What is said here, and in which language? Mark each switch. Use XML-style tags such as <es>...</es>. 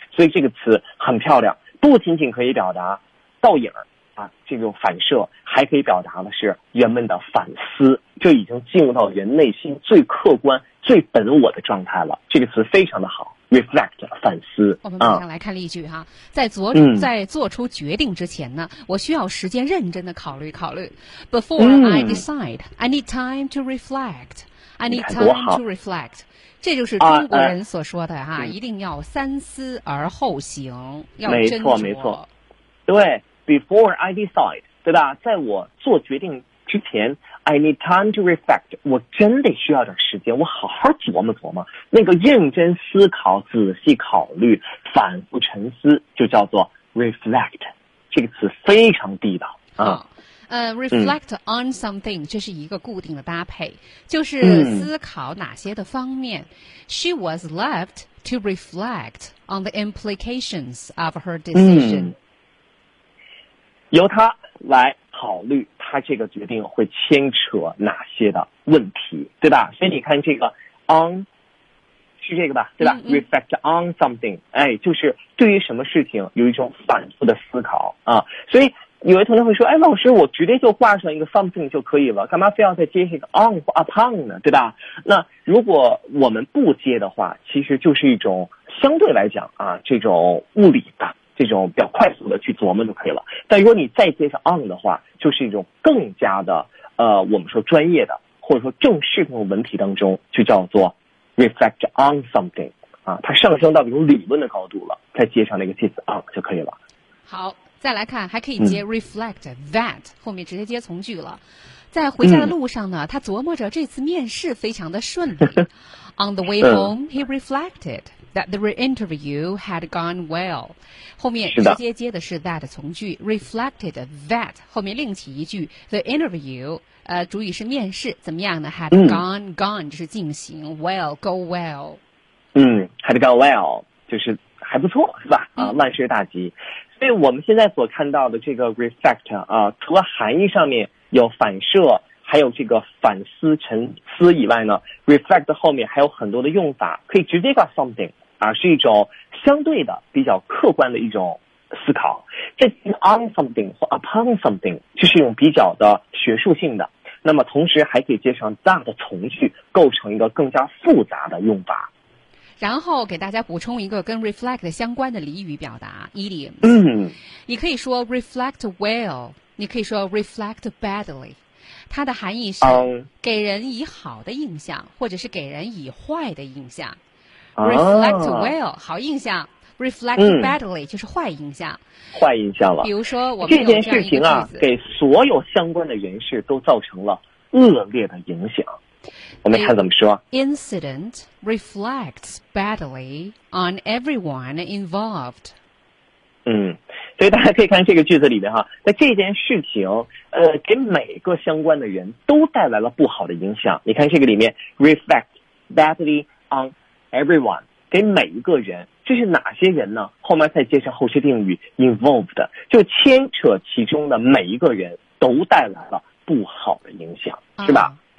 <zh>所以这个词很漂亮，不仅仅可以表达倒影啊，这种反射，还可以表达的是人们的反思，这已经进入到人内心最客观、最本我的状态了。这个词非常的好 ，reflect 反思。我们马上来看例句哈，在做出决定之前呢，我需要时间认真的考虑考虑。</zh> <en>Before I decide, I need time to reflect. I need time to reflect.</en> <zh>这就是中国人所说的哈、一定要三思而后行，要斟酌。没错，没错，对。</zh> <en>Before I decide，对吧？ 在我做决定之前，I need time to reflect。</en> <zh>我真得需要点时间，我好好琢磨琢磨。那个认真思考、仔细考虑、反复沉思，就叫做 reflect。这个词非常地道啊。 Reflect on something，这是一个固定的搭配，就是思考哪些的方面。</zh> <en>She was left to reflect on the implications of her decision。</en> <zh>由他来考虑他这个决定会牵扯哪些的问题，对吧？所以你看这个 on 是这个吧，对吧？ reflect on something，哎，就是对于什么事情有一种反复的思考啊。所以有的同学会说，哎，老师，我直接就挂上一个 something 就可以了，干嘛非要再接一个 on 或 upon 呢，对吧？那如果我们不接的话，其实就是一种相对来讲啊，这种物理的这种比较快速的去琢磨就可以了。但如果你再接上 on 的话，就是一种更加的我们说专业的或者说正式的文体当中，就叫做 reflect on something 啊，它上升到一种理论的高度了，再接上那个介词 on 就可以了。好，再来看，还可以接 reflect that，后面直接接从句了。在回家的路上呢，他琢磨着这次面试非常的顺利。</zh> <en>On the way home, he reflected that the interview had gone well.</en> <zh>后面直接接的是 that 从句 ， reflected that 后面另起一句 the interview，主语是面试，怎么样呢 ？ Had gone 就是进行 ， well go well。 Had gone well 就是还不错，是吧？啊，万事大吉。所以我们现在所看到的这个 reflect 啊，除了含义上面有反射，还有这个反思、沉思以外呢 ，reflect 后面还有很多的用法，可以直接挂 something 啊，是一种相对的、比较客观的一种思考。再 on something 或 upon something，就是一种比较的学术性的。那么同时还可以接上 that 的从句，构成一个更加复杂的用法。然后给大家补充一个跟 reflect 相关的俚语表达 idioms。你可以说 reflect well，你可以说 reflect badly。它的含义是给人以好的印象，或者是给人以坏的印象。 Reflect well，好印象。 Reflect badly，就是坏印象。坏印象了。比如说，我们这件事情啊，给所有相关的人士都造成了恶劣的影响。我们看怎么说。</zh> <en>The incident reflects badly on everyone involved.</en> <zh>嗯，所以大家可以看这个句子里面哈，在这件事情给每个相关的人都带来了不好的影响。你看这个里面 reflect badly on everyone，给每一个人，这是哪些人呢？后面再介绍后续定语 involved， 就牵扯其中的每一个人都带来了不好的影响，是吧？</zh>